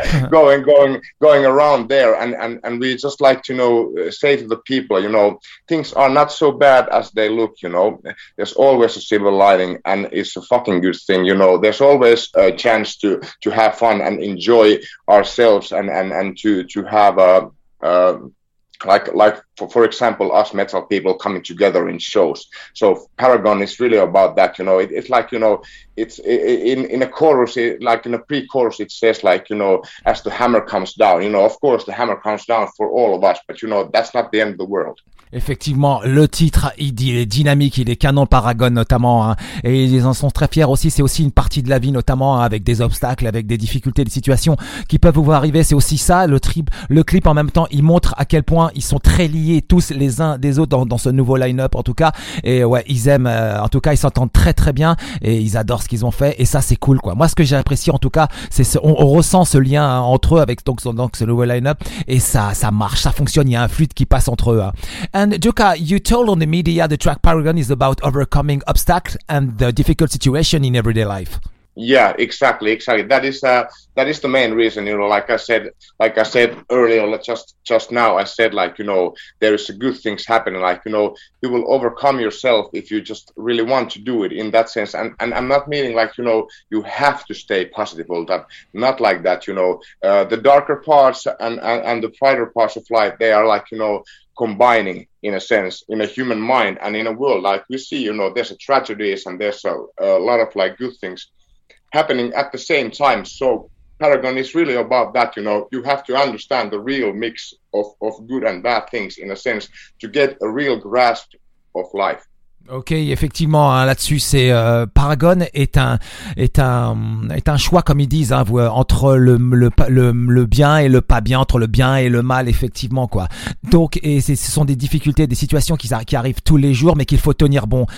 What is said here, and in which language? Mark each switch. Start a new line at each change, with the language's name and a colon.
English: going around there, and we just like to, you know, say to the people, you know, things are not so bad as they look, you know, there's always a silver lining and it's a fucking good thing, you know, there's always a chance to have fun and enjoy ourselves and to have like for example us metal people coming together in shows. So Paragon is really about that, you know, it's like, you know, it's in a chorus, like in a pre-chorus it says like, you know, as the hammer comes down, you know, of course the hammer comes down for all of us, but you know, that's not the end of the world.
French: Effectivement, le titre, il est dynamique, il est canon, Paragon notamment, hein, et ils en sont très fiers aussi. C'est aussi une partie de la vie, notamment avec des obstacles, avec des difficultés, des situations qui peuvent vous arriver. C'est aussi ça, le clip en même temps, il montre à quel point ils sont très liés tous les uns des autres dans ce nouveau line-up en tout cas. Et ouais, ils aiment, en tout cas, ils s'entendent très très bien et ils adorent ce qu'ils ont fait. Et ça, c'est cool, quoi. Moi, ce que j'ai apprécié en tout cas, c'est on ressent ce lien, hein, entre eux avec donc ce nouveau line-up, et ça marche, ça fonctionne. Il y a un fluide qui passe entre eux. Hein.
English: And Duka, you told on the media the track Paragon is about overcoming obstacles and the difficult situation in everyday life. Yeah, exactly. That is the main reason, you know, like I said earlier, just now, I said, like, you know, there is a good things happening, like, you know, you will overcome yourself if you just really want to do it in that sense. And I'm not meaning like, you know, you have to stay positive all that, not like that, you know, the darker parts and the brighter parts of life, they are like, you know, combining in a sense in a human mind and in a world, like we see, you know, there's a tragedies and there's a lot of like good things happening at the same time. So Paragon is really about that, you know, you have to understand the real mix of good and bad things in a sense to get a real grasp of life.
French: Ok, effectivement, hein, là-dessus, c'est Paragon est un choix, comme ils disent, hein, entre le bien et le pas bien, entre le bien et le mal, effectivement, quoi. Donc, et ce sont des difficultés, des situations qui arrivent tous les jours, mais qu'il faut tenir bon.